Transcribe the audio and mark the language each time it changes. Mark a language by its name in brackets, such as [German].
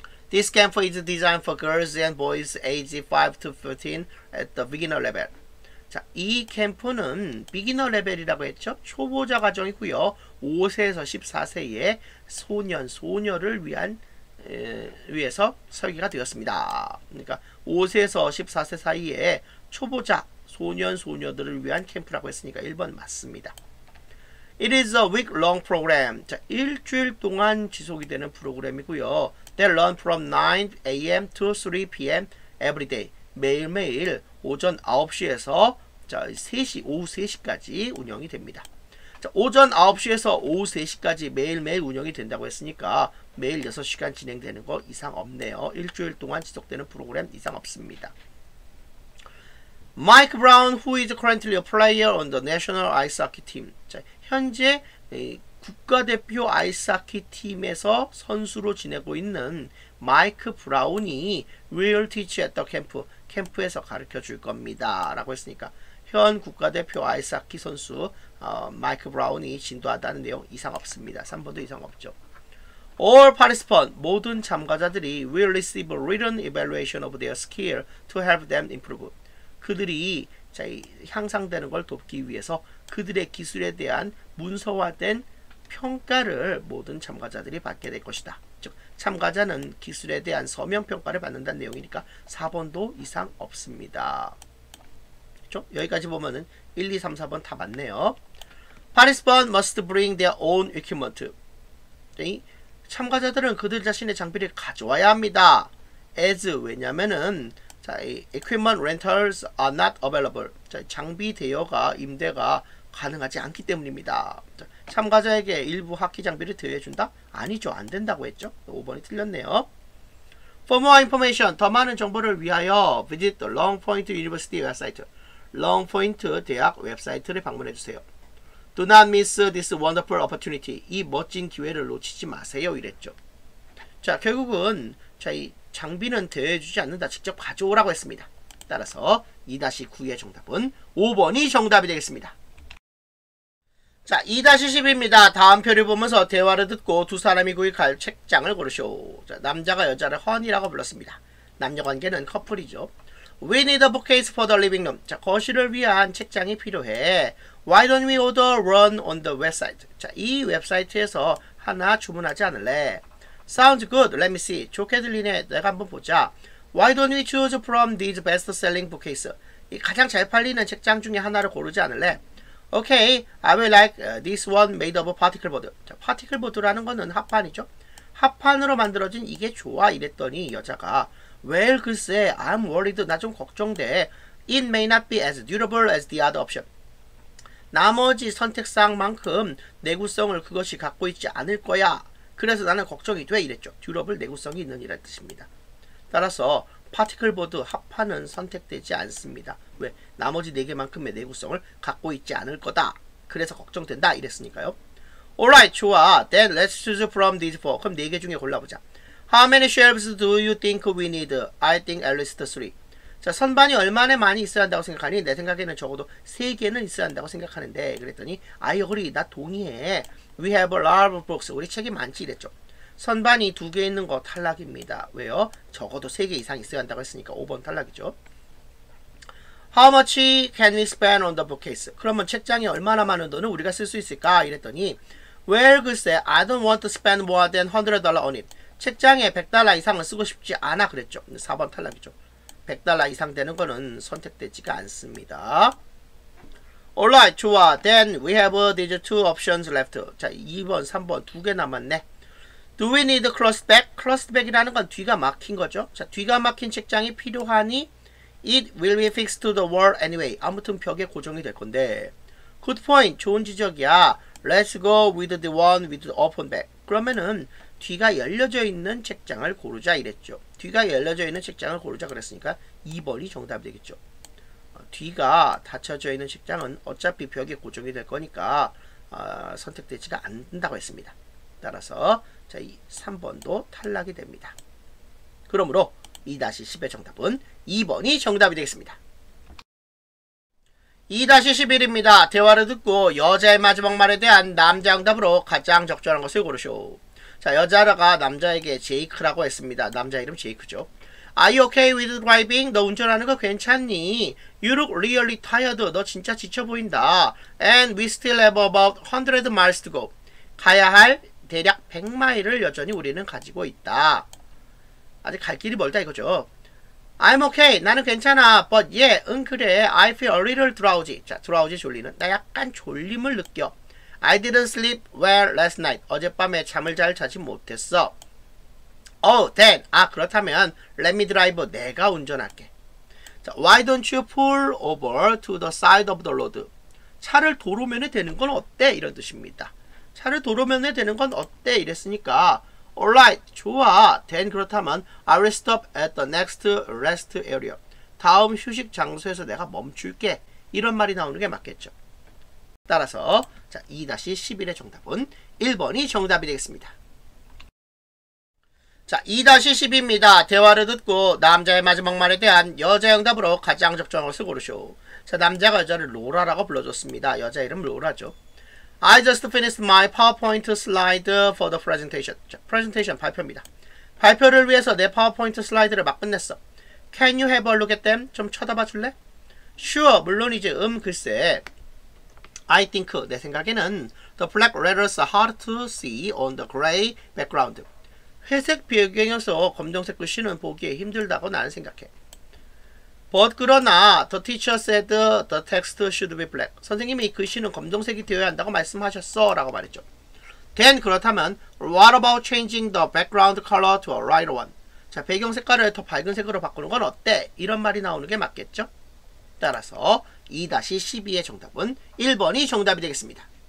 [English] This camp is designed for girls and boys age 5 to 15 at the beginner level. [Korean] 자, 이 캠프는 beginner level이라고 했죠? 초보자 과정이고요. 5세에서 14세의 소년, 소녀를 위한 위해서 설계가 되었습니다. 그러니까 5세에서 14세 사이에 초보자 소년 소녀들을 위한 캠프라고 했으니까 1번 맞습니다. [English] It is a week long program. [Korean] 자, 일주일 동안 지속이 되는 프로그램이고요. [English] They learn from 9 a.m. to 3 p.m. every day. [Korean] 매일매일 오전 9시에서 자, 3시 오후 3시까지 운영이 됩니다. 자, 오전 9시에서 오후 3시까지 매일매일 운영이 된다고 했으니까 매일 6시간 진행되는 거 이상 없네요. 일주일 동안 지속되는 프로그램 이상 없습니다. [English] Mike Brown, who is currently a player on the National Ice Hockey Team. [Korean] 자, 현재 국가대표 아이스하키 팀에서 선수로 지내고 있는 마이크 브라운이 [English] will teach at the camp, [Korean] 캠프에서 가르쳐줄 겁니다. 라고 했으니까 현 국가대표 아이스하키 선수 마이크 브라운이 진도한다는 내용 이상 없습니다. 3번도 이상 없죠. [English] All participants, [Korean] 모든 참가자들이 [English] will receive a written evaluation of their skill to help them improve. [Korean] 그들이 향상되는 걸 돕기 위해서 그들의 기술에 대한 문서화된 평가를 모든 참가자들이 받게 될 것이다. 즉 참가자는 기술에 대한 서면 평가를 받는다는 내용이니까 4번도 이상 없습니다. 그렇죠? 여기까지 보면은 1, 2, 3, 4번 다 맞네요. [English] Participants must bring their own equipment. [Korean] 참가자들은 그들 자신의 장비를 가져와야 합니다. [English] As [Korean] 왜냐면은 자, [English] equipment rentals are not available. [Korean] 자, 장비 대여가 임대가 가능하지 않기 때문입니다. 자, 참가자에게 일부 하키 장비를 대여해준다? 아니죠. 안 된다고 했죠. 5번이 틀렸네요. [English] For more information, [Korean] 더 많은 정보를 위하여 [English] visit the Longpoint University website. [Korean] Longpoint 대학 웹사이트를 방문해주세요. [English] Do not miss this wonderful opportunity. [Korean] 이 멋진 기회를 놓치지 마세요. 이랬죠. 자, 결국은 자, 이 장비는 대여해주지 않는다. 직접 가져오라고 했습니다. 따라서 2-9의 정답은 5번이 정답이 되겠습니다. 자, 2-10입니다. 다음 표를 보면서 대화를 듣고 두 사람이 구입할 책장을 고르쇼. 자, 남자가 여자를 허니라고 불렀습니다. 남녀관계는 커플이죠. [English] We need a bookcase for the living room. [Korean] 자, 거실을 위한 책장이 필요해. [English] Why don't we order one on the website? [Korean] 자, 이 웹사이트에서 하나 주문하지 않을래? [English] Sounds good. Let me see. [Korean] 좋게 들리네. 내가 한번 보자. [English] Why don't we choose from these best-selling bookcases? [Korean] 이 가장 잘 팔리는 책장 중에 하나를 고르지 않을래? [English] Okay, I will like this one made of particle board. [Korean] 자, particle board라는 거는 합판이죠. 합판으로 만들어진 이게 좋아. 이랬더니 여자가 Well, 글쎄, [English] I'm worried. [Korean] 나 좀 걱정돼. [English] It may not be as durable as the other option. [Korean] 나머지 선택사항만큼 내구성을 그것이 갖고 있지 않을 거야. 그래서 나는 걱정이 돼. 이랬죠. [English] Durable, [Korean] 내구성이 있는 이란 뜻입니다. 따라서 파티클 보드 합판은 선택되지 않습니다. 왜? 나머지 4개만큼의 내구성을 갖고 있지 않을 거다. 그래서 걱정된다. 이랬으니까요. [English] Alright, [Korean] 좋아. [English] Then let's choose from these four. [Korean] 그럼 4개 중에 골라보자. [English] How many shelves do you think we need? I think at least three. [Korean] 자, 선반이 얼마나 많이 있어야 한다고 생각하니? 내 생각에는 적어도 3개는 있어야 한다고 생각하는데. [English] 그랬더니 I agree. [Korean] 나 동의해. [English] We have a lot of books. [Korean] 우리 책이 많지. 이랬죠. 선반이 두 개 있는 거 탈락입니다. 왜요? 적어도 세 개 이상 있어야 한다고 했으니까 5번 탈락이죠. [English] How much can we spend on the bookcase? [Korean] 그러면 책장에 얼마나 많은 돈을 우리가 쓸 수 있을까? 이랬더니 [English] Well, [Korean] 글쎄, [English] I don't want to spend more than $100 on it. [Korean] 책장에 $100 이상을 쓰고 싶지 않아. 그랬죠. 4번 탈락이죠. $100 이상 되는 거는 선택되지가 않습니다. [English] Alright, [Korean] 좋아. [English] Then we have these two options left. [Korean] 자, 2번, 3번 두 개 남았네. [English] Do we need a closed bag? [Korean] Closed bag이라는 건 뒤가 막힌 거죠. 자, 뒤가 막힌 책장이 필요하니 [English] It will be fixed to the wall anyway. [Korean] 아무튼 벽에 고정이 될 건데 [English] Good point. [Korean] 좋은 지적이야. [English] Let's go with the one with the open bag. [Korean] 그러면은 뒤가 열려져 있는 책장을 고르자 이랬죠. 뒤가 열려져 있는 책장을 고르자 그랬으니까 2번이 정답이 되겠죠. 뒤가 닫혀져 있는 책장은 어차피 벽에 고정이 될 거니까 선택되지가 않는다고 했습니다. 따라서 자, 이 3번도 탈락이 됩니다. 그러므로 2-10의 정답은 2번이 정답이 되겠습니다. 2-11입니다. 대화를 듣고 여자의 마지막 말에 대한 남자 응답으로 가장 적절한 것을 고르쇼. 자, 여자가 남자에게 제이크라고 했습니다. 남자 이름 제이크죠. [English] Are you okay with driving? [Korean] 너 운전하는 거 괜찮니? [English] You look really tired. [Korean] 너 진짜 지쳐 보인다. [English] And we still have about 100 miles to go. [Korean] 가야 할 대략 100마일을 여전히 우리는 가지고 있다. 아직 갈 길이 멀다 이거죠. [English] I'm okay. [Korean] 나는 괜찮아. [English] But yeah, [Korean] 응 그래. [English] I feel a little drowsy. [Korean] 자, drowsy 졸리는. 나 약간 졸림을 느껴. [English] I didn't sleep well last night. [Korean] 어젯밤에 잠을 잘 자지 못했어. [English] Oh, then. [Korean] 아, 그렇다면 [English] let me drive. [Korean] 내가 운전할게. [English] 자, why don't you pull over to the side of the road? [Korean] 차를 도로면에 대는 건 어때? 이런 뜻입니다. 차를 도로면에 대는 건 어때? 이랬으니까 [English] Alright, [Korean] 좋아. [English] Then [Korean] 그렇다면 [English] I will stop at the next rest area. [Korean] 다음 휴식 장소에서 내가 멈출게. 이런 말이 나오는 게 맞겠죠. 따라서 자, 2-11의 정답은 1번이 정답이 되겠습니다. 자, 2-10입니다. 대화를 듣고 남자의 마지막 말에 대한 여자의 응답으로 가장 적정한 것을 고르쇼. 자, 남자가 여자를 로라라고 불러줬습니다. 여자 이름 로라죠. [English] I just finished my PowerPoint slide for the presentation. [Korean] 자, [English] presentation [Korean] 발표입니다. 발표를 위해서 내 PowerPoint 슬라이드를 막 끝냈어. [English] Can you have a look at them? [Korean] 좀 쳐다봐 줄래? [English] Sure, [Korean] 물론이지. 글쎄. [English] I think, [Korean] 내 생각에는 [English] the black letters are hard to see on the gray background. [Korean] 회색 배경에서 검정색 글씨는 보기에 힘들다고 나는 생각해. [English] But [Korean] 그러나 [English] the teacher said the text should be black. [Korean] 선생님이 글씨는 검정색이 되어야 한다고 말씀하셨어 라고 말했죠. [English] Then [Korean] 그렇다면 [English] what about changing the background color to a lighter one? [Korean] 자, 배경 색깔을 더 밝은 색으로 바꾸는 건 어때? 이런 말이 나오는 게 맞겠죠? 따라서 2-12의 정답은 1번이 정답이 되겠습니다.